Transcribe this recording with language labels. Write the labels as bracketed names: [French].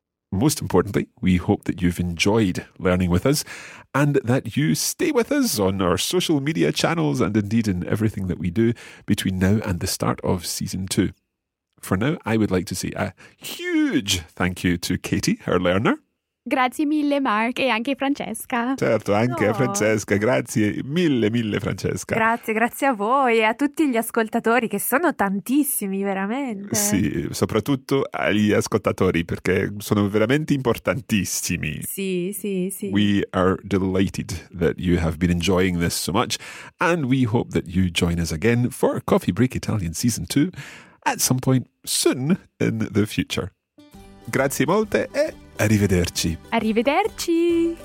[English] Most importantly, we hope that you've enjoyed learning with us and that you stay with us on our social media channels and indeed in everything that we do between now and the start of season 2. For now, I would like to say a huge thank you to Katie, our learner. [Italian] Grazie mille, Mark, e anche Francesca. Certo, anche no. Francesca. Grazie mille, mille, Francesca. Grazie, grazie a voi e a tutti gli ascoltatori, che sono tantissimi, veramente. Sì, soprattutto agli ascoltatori, perché sono veramente importantissimi. Sì, sì, sì. [English] We are delighted that you have been enjoying this so much, and we hope that you join us again for Coffee Break Italian Season 2 at some point soon in the future. [Italian] Grazie molte e... arrivederci. Arrivederci.